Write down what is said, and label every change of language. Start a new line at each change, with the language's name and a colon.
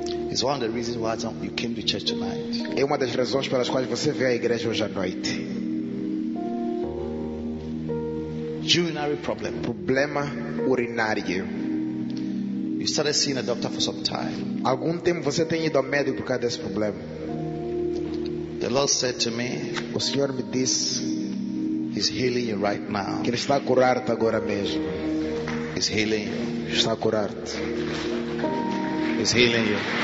English: It's one of the reasons why you came to church tonight.
Portuguese: É uma das razões pelas quais você veio à igreja hoje à noite.
English: Urinary problem.
Portuguese: Problema urinário.
English: You started seeing a doctor for some time.
Portuguese: Algum tempo você tem ido ao médico por causa desse problema.
English: The Lord said to me,
Portuguese: o Senhor me disse,
English: He's healing you right now.
Portuguese: Que ele está a curar-te agora mesmo.
English: He's healing you.
Portuguese: Está a curar-te.
English: He's healing you.